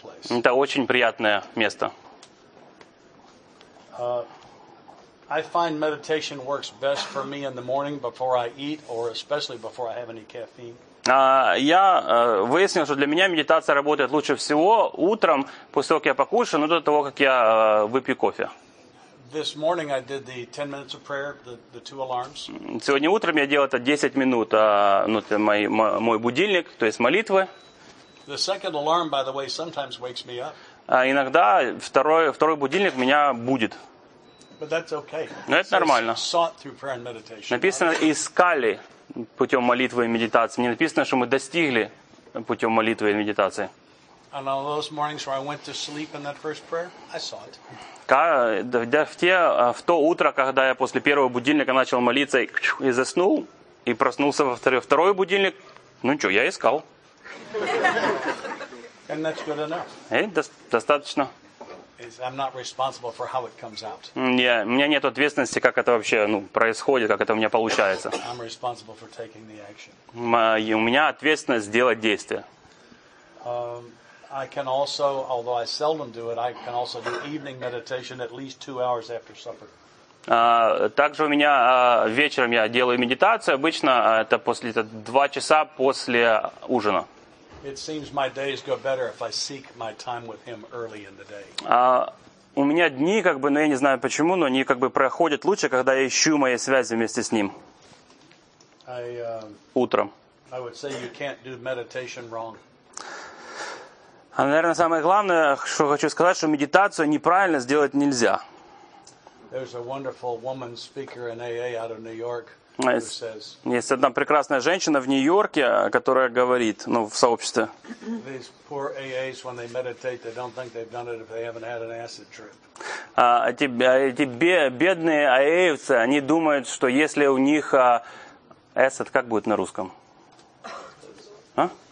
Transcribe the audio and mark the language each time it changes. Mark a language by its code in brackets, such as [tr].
[ru] Это очень приятное место. [en] I find meditation works best for me in the morning before I eat or especially before I have any caffeine. [ru] Я выяснил, что для меня медитация работает лучше всего утром, после того, как я покушаю, но до того, как я выпью кофе. [en] This morning I did the 10 minutes of prayer, the two alarms. [ru] Сегодня утром я делал это 10 минут, мой будильник, то есть молитвы. [en] The second alarm, by the way, sometimes wakes me up. [ru] Иногда второй будильник меня будет. [en] But that's okay. [ru] Но это нормально. [en] Sought through prayer and meditation. [ru] Написано, искали путем молитвы и медитации. Не написано, что мы достигли путем молитвы и медитации. [en] And on those mornings where I went to sleep in that first prayer, I saw it. [ru] В то утро, когда я после первого будильника начал молиться и заснул, и проснулся во второй будильник, ну что, я искал. [en] And that's good enough. [ru] Достаточно. [en] I'm not responsible for how it comes out. [ru] У меня нет ответственности, как это вообще происходит, как это у меня получается. [en] I'm responsible for taking the action. [ru] У меня ответственность сделать действие. [en] I can also, although I seldom do it, I can also do evening meditation at least 2 hours after supper. [ru] Также у меня вечером я делаю медитацию. Обычно это после 2 часа после ужина. [en] It seems my days go better if I seek my time with him early in the day. [ru] У меня дни, я не знаю почему, но они как бы проходят лучше, когда я ищу мои связи вместе с ним. Утром. [en] I would say you can't do meditation wrong. [ru] А, наверное, самое главное, что хочу сказать, что медитацию неправильно сделать нельзя. [en] There's a wonderful woman speaker in AA out of New York who says. [ru] Есть одна прекрасная женщина в Нью-Йорке, которая говорит, в сообществе. [en] These poor AAs, when they meditate, they don't think they've done it if they haven't had an acid trip. [ru] Эти бедные AAевцы, они думают, что если у них acid, как будет на русском? А?